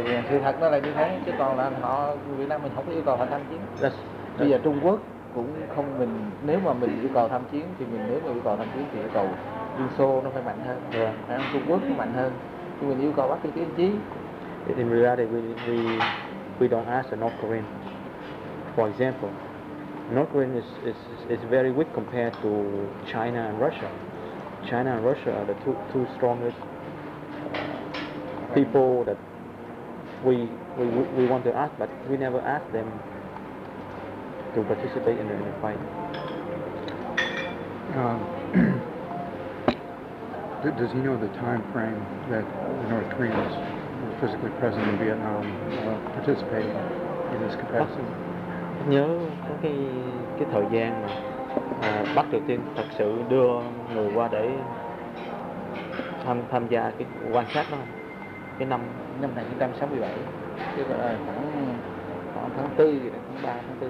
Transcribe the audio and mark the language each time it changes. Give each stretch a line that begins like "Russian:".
Vietnamese: Sự thật nó là như thế, chứ còn là họ Việt Nam mình không có yêu cầu họ tham chiến.
English: That's...
Vietnamese: Bây giờ Trung Quốc cũng không mình nếu mà mình yêu cầu tham chiến thì mình nếu mà yêu cầu tham chiến thì yêu cầu Liên Xô nó phải mạnh hơn,
English: yeah.
Vietnamese: Phải Trung Quốc mạnh hơn, nhưng mình yêu cầu Bắc Triều Tiên chí.
English: In reality, we don't ask the North Korean. For example, North Korean is very weak compared to China and Russia. China and Russia are the two strongest people that we want to ask, but we never ask them to participate in the fight. Does he know the time frame that the North Koreans were physically present in Vietnam participating in this capacity?
Vietnamese: Nhớ có cái thời gian mà Bắc Triều Tiên thật sự đưa người qua để tham gia cái quan sát đó không? Cái năm 1967, tức là khoảng tháng 4, tháng 3, tháng 4